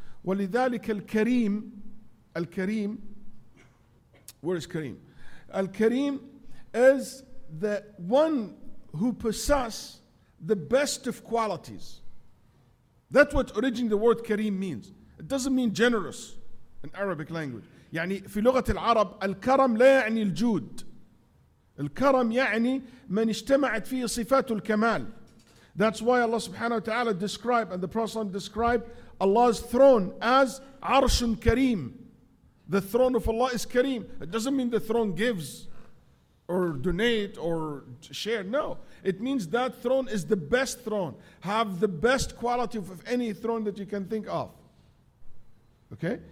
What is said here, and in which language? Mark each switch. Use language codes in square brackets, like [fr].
[ar] وَلِذَلِكَ الْكَرِيمُ الْكَرِيمُ [en] Where is Kareem? Al-Kareem is the one who possess the best of qualities. That's what originally the word Kareem means. It doesn't mean generous in Arabic language. [ar] يعني في لغة العرب الكرم لا يعني الجود. الكرم يعني من اجتمعت فيه صفات الكمال. [en] That's why Allah subhanahu wa ta'ala described and the Prophet described Allah's throne as [ar] عرش كريم. [en] The throne of Allah is Kareem. It doesn't mean the throne gives or donate or share. No, it means that throne is the best throne. Have the best quality of any throne that you can think of. Okay?